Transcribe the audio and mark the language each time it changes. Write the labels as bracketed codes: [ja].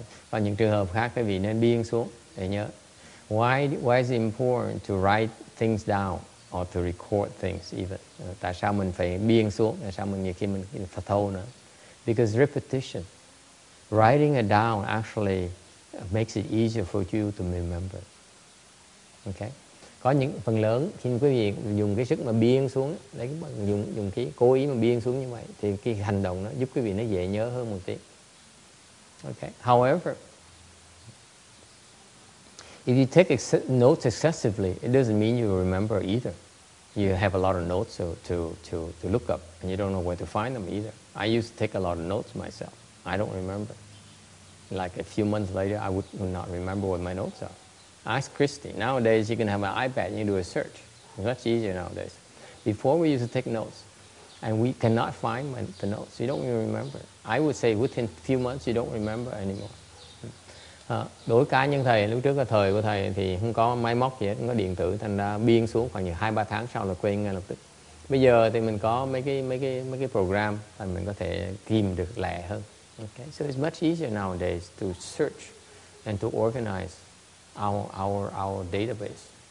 [vi] Có những trường hợp khác quý vị nên biên xuống để nhớ. [en] Why is it important to write things down or to record things even? [vi] Tại sao mình phải biên xuống? Tại sao mình nhiều khi mình phải thâu nữa? [en] Because repetition, writing it down actually makes it easier for you to remember. Okay. [vi] Có những phần lớn khi quý vị dùng cái sức mà biên xuống, lấy dùng cái cố ý mà biên xuống như vậy, thì cái hành động nó giúp quý vị nó dễ nhớ hơn một tí. [en] Okay. However, if you take notes excessively, it doesn't mean you remember either. You have a lot of notes to look up, and you don't know where to find them either. I used to take a lot of notes myself. I don't remember. Like a few months later, I would not remember what my notes are. Ask Christy. Nowadays, you can have an iPad and you do a search. It's much easier nowadays. Before, we used to take notes, and we cannot find the notes. You don't even remember. I would say within a few months, you don't remember anymore. [vi] Đối cá nhân thầy, lúc trước là thời của thầy thì không có máy móc gì hết, không có điện tử, thành ra biên xuống khoảng 2-3 tháng sau là quên ngay lập tức. Bây giờ thì mình có mấy cái program và mình có thể tìm được lẹ hơn. [en] Okay, so it's much easier nowadays to search and to organize our database.